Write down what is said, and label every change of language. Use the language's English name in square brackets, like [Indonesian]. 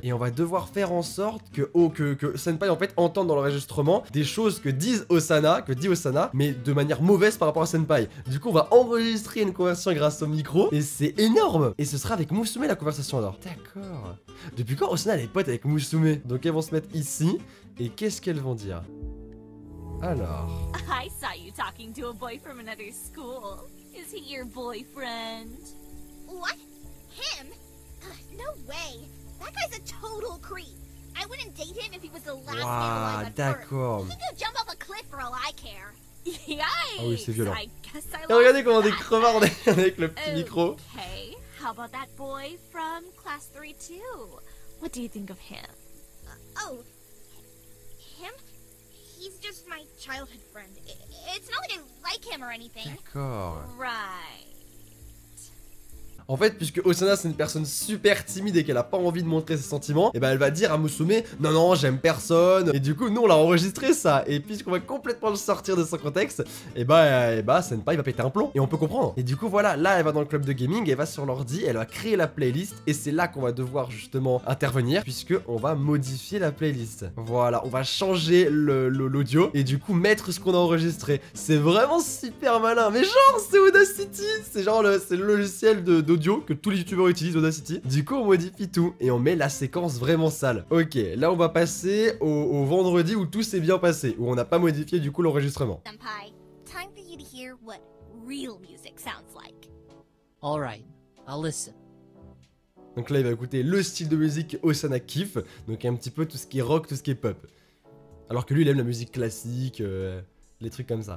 [French] Et on va devoir faire en sorte que Senpai en fait entende dans l'enregistrement des choses que disent Osana, mais de manière mauvaise par rapport à Senpai. Du coup on va enregistrer une conversation grâce au micro. Et c'est énorme. Et ce sera avec Musume la conversation alors. D'accord. Depuis quand Osana elle est pote avec Musume? Donc elles vont se mettre ici et qu'est-ce qu'elles vont dire? Alors. [English] I saw you talking to a boy from another school. Is he your boyfriend? What? Him? No way. That guy's a total creep. I wouldn't date him if he was the last man alive. [French] Ah, d'accord. [English] He could jump off a cliff for all I care. Yikes. [French] Ah oui, c'est violent. Et regardez comment des crevards avec le petit micro. [English] Okay. How about that boy from class 3 too? What do you think of him? Him? He's just my childhood friend. It's not like I like him or anything. [French] D'accord. [English] Right. [French] En fait, puisque Osana c'est une personne super timide et qu'elle a pas envie de montrer ses sentiments, et ben elle va dire à Musume, non non j'aime personne. Et du coup nous on l'a enregistré ça. Et puisqu'on va complètement le sortir de son contexte, et ben Senpai va péter un plomb. Et on peut comprendre. Et du coup voilà, là elle va dans le club de gaming, elle va sur l'ordi, elle va créer la playlist. Et c'est là qu'on va devoir justement intervenir, puisque on va modifier la playlist. Voilà, on va changer l'audio et du coup mettre ce qu'on a enregistré. C'est vraiment super malin. Mais genre c'est Audacity, c'est genre le logiciel de d'audio que tous les youtubeurs utilisent Audacity. Du coup on modifie tout et on met la séquence vraiment sale. Ok, là on va passer au vendredi où tout s'est bien passé, où on n'a pas modifié du coup l'enregistrement. [English] Senpai, time for you to hear what real music sounds like. All right, I'll listen. [French] Donc là il va écouter le style de musique Osana kiffe, donc un petit peu tout ce qui est rock, tout ce qui est pop. Alors que lui il aime la musique classique, les trucs comme ça.